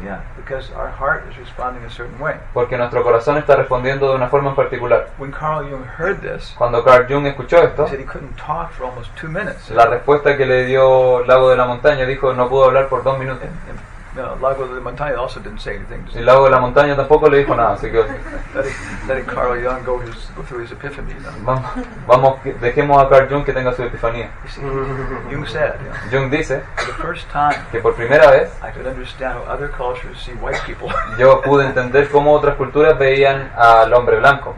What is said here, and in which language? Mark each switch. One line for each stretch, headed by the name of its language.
English: Yeah, because our heart is responding a certain way.
Spanish: Porque nuestro corazón está respondiendo de una forma en particular.
English: When Carl Jung heard this,
Spanish: cuando Carl Jung escuchó esto,
English: he said he couldn't talk for almost 2 minutes.
Spanish: La respuesta que le dio Lago de la Montaña, dijo, no pudo hablar por 2 minutos.
English: And Lago de la Montaña also didn't say anything.
Spanish: Y Lago de la Montaña tampoco le dijo nada, así que
English: letting Carl Jung go through his epiphany. You know?
Spanish: Vamos, dejemos a Carl Jung que tenga su epifanía.
English: Jung said, you know,
Spanish: Jung dice,
English: for the first time,
Spanish: que por primera vez,
English: I could understand how other cultures see white people.
Spanish: Yo pude entender cómo otras culturas veían al hombre blanco.